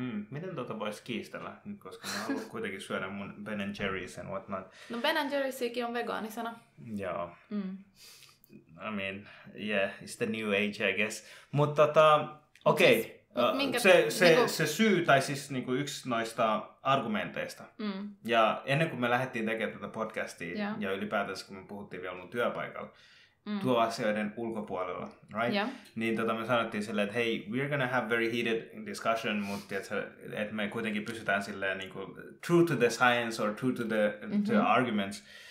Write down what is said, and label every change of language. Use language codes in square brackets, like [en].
[fi] Miten tuota voisi kiistellä, koska mä haluan kuitenkin syödä mun Ben & Jerry's [en] and whatnot. [fi] No Ben & Jerry'sikin on vegaanisena. Joo. [en] I mean, yeah, it's the new age, I guess. [fi] Mutta okei, se syy, tai siis niinku yksi noista argumenteista. Ja ennen kuin me lähdettiin tekemään tätä podcastia, ja ylipäätänsä kun me puhuttiin vielä mun työpaikalla, tuo asioiden ulkopuolella, right? Niin me sanottiin silleen, että hei, [en] we're gonna have very heated discussion, [fi] mutta että me kuitenkin pysytään silleen niin kuin [en] true to the science or true to the, the arguments.